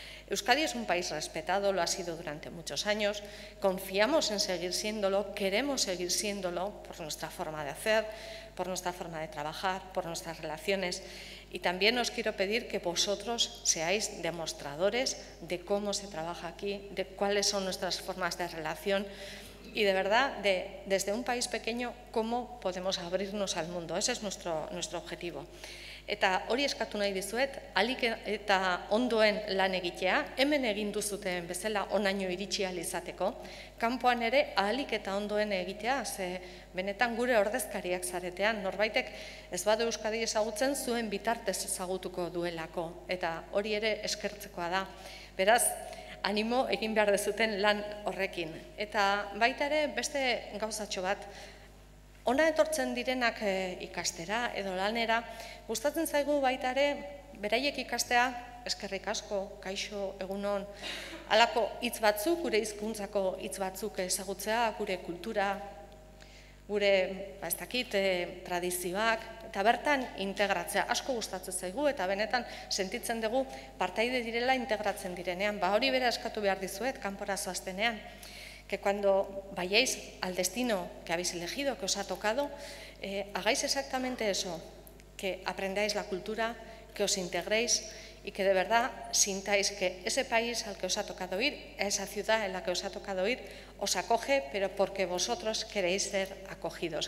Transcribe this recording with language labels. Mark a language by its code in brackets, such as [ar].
[es] Euskadi es un país respetado, lo ha sido durante muchos años, confiamos en seguir siéndolo, queremos seguir siéndolo por nuestra forma de hacer, por nuestra forma de trabajar, por nuestras relaciones. Y también os quiero pedir que vosotros seáis demostradores de cómo se trabaja aquí, de cuáles son nuestras formas de relación y de verdad, desde un país pequeño, cómo podemos abrirnos al mundo. Ese es nuestro objetivo. [eu] Eta hori eskatu nahi dizuet, alik eta ondoen lan egitea, hemen egin duzuten bezala onaino iritsi ahal izateko, kanpoan ere alik eta ondoen egitea, ze benetan gure ordezkariak zaretean, norbaitek ez badu Euskadi ezagutzen zuen bitartez ezagutuko duelako, eta hori ere eskertzekoa da. Beraz, animo egin behar dezuten lan horrekin. Eta baita ere beste gauzatxo bat, ona etortzen direnak ikastera edo lanera, gustatzen zaigu baita ere, beraiek ikastea, eskerrik asko, kaixo, egunon, alako hitz batzuk, gure hizkuntzako hitz batzuk ezagutzea, gure kultura, gure, ez dakit, tradizioak, eta bertan integratzea, asko gustatzen zaigu, eta benetan sentitzen dugu partaide direla integratzen direnean, ba hori bera eskatu behar dizuet, kanpora zoaztenean. [es] Que cuando vayáis al destino que habéis elegido, que os ha tocado, hagáis exactamente eso, que aprendáis la cultura, que os integréis y que de verdad sintáis que ese país al que os ha tocado ir, esa ciudad en la que os ha tocado ir, os acoge, pero porque vosotros queréis ser acogidos.